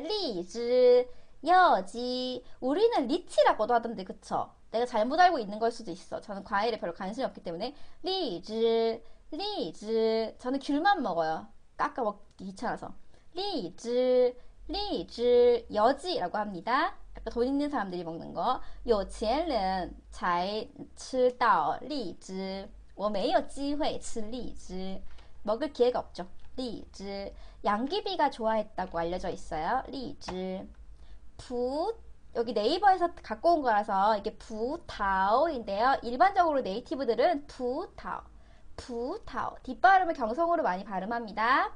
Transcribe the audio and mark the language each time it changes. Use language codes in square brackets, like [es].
[ko] 리즈, 여지. 우리는 리치라고도 하던데, 그쵸? 내가 잘못 알고 있는 걸 수도 있어. 저는 과일에 별로 관심이 없기 때문에. 리즈, 리즈. 저는 귤만 먹어요. 깎아 먹기 귀찮아서. 리즈, 리즈, 여지라고 합니다. 돈 있는 사람들이 먹는 거. [zh] 有钱人才吃到荔枝，我没有机会吃荔枝。 [ko] 먹을 기회가 없죠. 荔枝. 양귀비가 좋아했다고 알려져 있어요. [zh] 荔枝. [ko] 여기 네이버에서 갖고 온 거라서 이게 부타오인데요. 일반적으로 네이티브들은 부타오. 부타오. 뒷발음을 경성으로 많이 발음합니다.